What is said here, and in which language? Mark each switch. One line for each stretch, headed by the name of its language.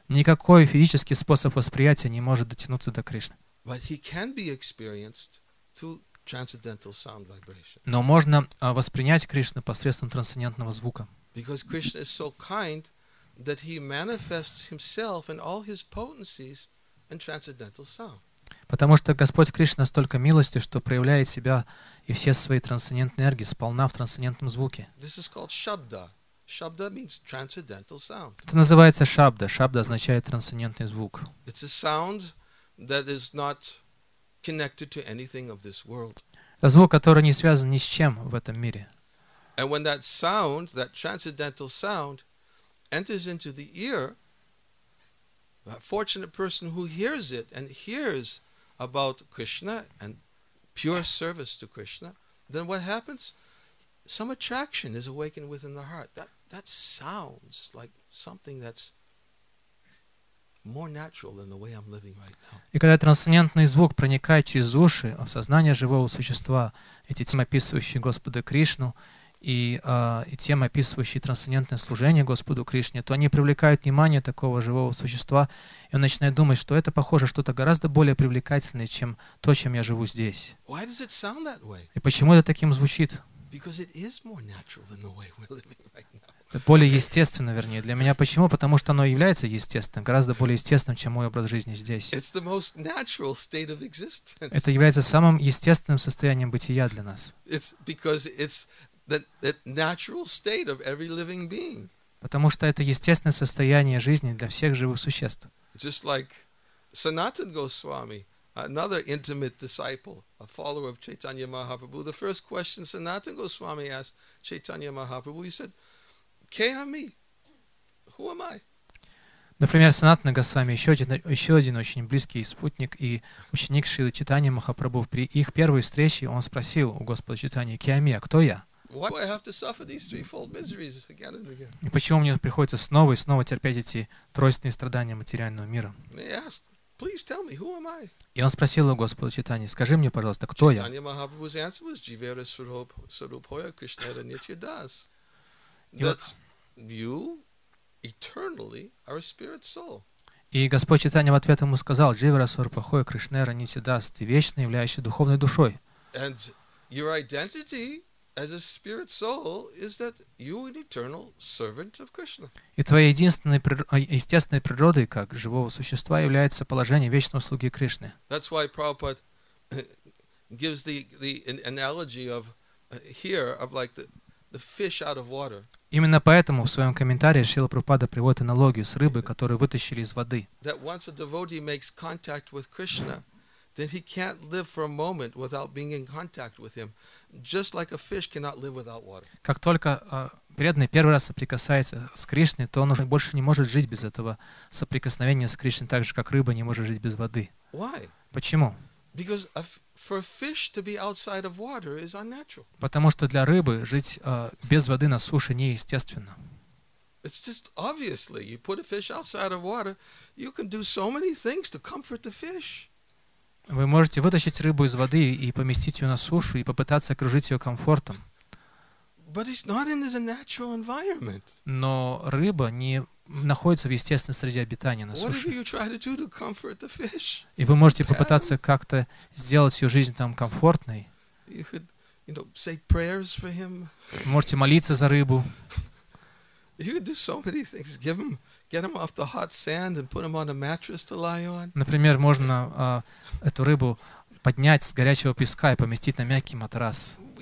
Russian: Никакой физический способ восприятия не может дотянуться до Кришны.
English: But he can be experienced through transcendental sound vibration.
Russian: Но можно воспринять Кришну посредством трансцендентного звука.
English: Because Krishna is so kind that he manifests himself and all his potencies in transcendental sound.
Russian: Потому что Господь Кришна настолько милостив, что проявляет себя и все свои трансцендентные энергии сполна в трансцендентном звуке.
English: This is called shabda. Shabda means transcendental sound.
Russian: Это называется шабда. Шабда означает трансцендентный звук.
English: It's a sound that is not connected to anything of this world.
Russian: Это звук, который не связан ни с чем в этом мире.
English: And when that sound, that transcendental sound, enters into the ear, that fortunate person who hears it and hears about Krishna and pure service to Krishna, then what happens? Some attraction is awakened within the heart. That sounds like something that's more natural than the way I'm living right now.
Russian: И когда трансцендентный звук проникает через уши в сознание живого существа, эти темы, описывающие Господа Кришну, и темы, описывающие трансцендентное служение Господу Кришне, то они привлекают внимание такого живого существа, и он начинает думать, что это похоже что-то гораздо более привлекательное, чем то, чем я живу здесь.
English: Why does it sound that way?
Russian: И почему это таким звучит?
English: Because it is more natural than the way we're living right now.
Russian: Это более естественно, вернее, для меня. Почему? Потому что оно является естественным, гораздо более естественным, чем мой образ жизни здесь.
English: It's the most natural state of existence.
Russian: Это является самым естественным состоянием бытия для нас.
English: It's because it's the natural state of every living being.
Russian: Потому что это естественное состояние жизни для всех живых существ.
English: Just like Sanatan Goswami, another intimate disciple, a follower of Chaitanya Mahaprabhu, the first question Sanatan Goswami asked Chaitanya Mahaprabhu, he said,
Bangla: Кеами,
English: who am I?
Russian: Например, Санатана Госвами, еще один очень близкий спутник и ученик Шрилы Чайтаньи Махапрабху, при их первой встрече он спросил у Господа Чайтаньи,
Bangla: Кеами,
Russian: а кто я?
English: Why do I have to suffer these threefold miseries again and again?
Russian: И почему мне приходится снова и снова терпеть эти тройственные страдания материального мира?
English: May I ask, please tell me, who am I?
Russian: И он спросил у Господа Чайтаньи, скажи мне, пожалуйста, кто я?
English: Чайтанья Махапрабху's answer was
Bangla: Jivera Сарупхоя Кришнера Нитьядас.
English: That you eternally are a spirit soul.
Russian: И Господь Чайтанья в ответ ему сказал:
Bangla: Дживера Сварупахой Кришнера Нитидас,
Russian: ты вечно являешься духовной душой.
English: And Your identity as a spirit soul is that you an eternal servant of Krishna.
Russian: И твоей единственной естественной природой как живого существа является положение вечного слуги Кришны.
English: That's why Prabhupada gives the analogy of here of like the fish out of water.
Russian: Именно поэтому в своем комментарии Шрила Прабхупада приводит аналогию с рыбой, которую вытащили из воды.
English: That once a devotee makes contact with Krishna, then he can't live for a moment without being in contact with him, just like a fish cannot live without water.
Russian: Как только преданный первый раз соприкасается с Кришной, то он уже больше не может жить без этого соприкосновения с Кришной, так же как рыба не может жить без воды.
English: Why?
Russian: Почему?
English: Because for a fish to be outside of water is unnatural.
Russian: Потому что для рыбы жить без воды на суше неестественно.
English: It's just obviously you put a fish outside of water, you can do so many things to comfort the fish.
Russian: Вы можете вытащить рыбу из воды и поместить ее на сушу и попытаться окружить ее комфортом.
English: But it's not in this natural environment.
Russian: Но рыба не находится в естественной среде обитания на суше.
English: What you try to do to comfort the fish?
Russian: И вы можете попытаться как-то сделать ее жизнь там комфортной.
English: You could, you know, say prayers for him.
Russian: Можете молиться за рыбу.
English: You could do so many things. Give him, get him off the hot sand and put him on a mattress to lie on.
Russian: Например, можно эту рыбу поднять с горячего песка и поместить на мягкий матрас.